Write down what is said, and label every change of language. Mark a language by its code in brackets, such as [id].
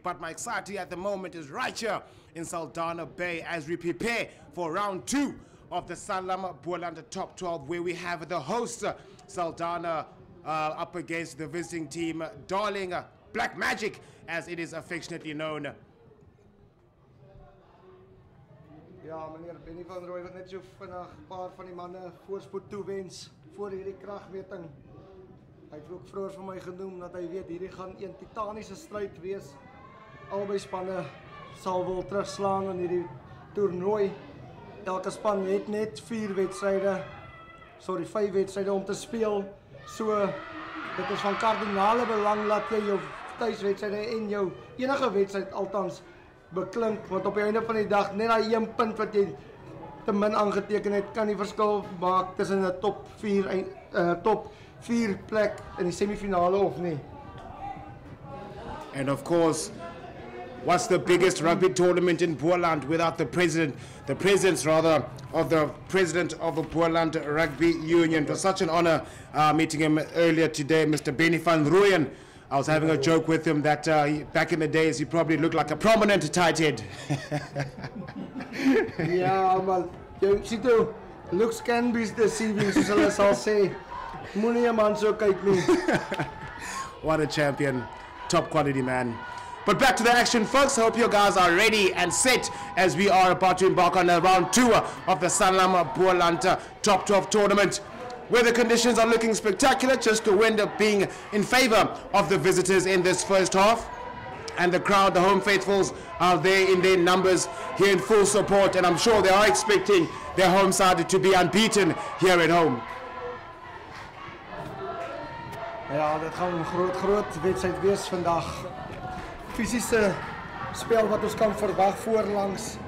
[en] But my excitement at the moment is right here in Saldanha Bay as we prepare for round two of the Sanlam Boland Top 12, where we have the host Saldanha up against the visiting team, Darling Black Magic, as it is affectionately known. [af] Ja, meneer Benny van Rooy wat net so vinnig paar van die manne voorspoed toewens voor hierdie kragmeting. Hy het ook vroeër vir my genoem dat hy weet hierdie gaan een titaniese stryd wees. Albei spanne sal wil terugslaan in hierdie toernooi. Elke span het net 4 wedstryde. Sorry, 5 wedstryde om te speel. So dit is van kardinale belang dat jy jou tuiswedstryde en jou enige wedstryd althans beklink, want op die einde van die dag, net daai een punt wat jy te min aangeteken het, kan die verskil maak tussen 'n top 4 en top 4 plek in die semifinale of nie. [en] And of course, what's the biggest rugby tournament in Boland without the president? The president's rather of the president of the Boland Rugby Union. It was such an honor meeting him earlier today, Mr. Benny van Rooyen. I was having a joke with him that back in the days he probably looked like a prominent tight head. Yeah, man. You see, too, looks can be deceiving, so as I'll say. Money a man so kijk me. What a champion. Top quality, man. But back to the action, folks. I hope you guys are ready and set as we are about to embark on a round two of the Sanlam Boland Top 12 tournament. Weather conditions are looking spectacular, just the wind being in favor of the visitors in this first half. And the crowd, the home faithfuls, are there in their numbers here in full support. And I'm sure they are expecting their home side to be unbeaten here at home. [af] Ja, dit gaan 'n groot, groot wedstryd wees vandag. Fisiese spel wat ons kan verwag voorlangs.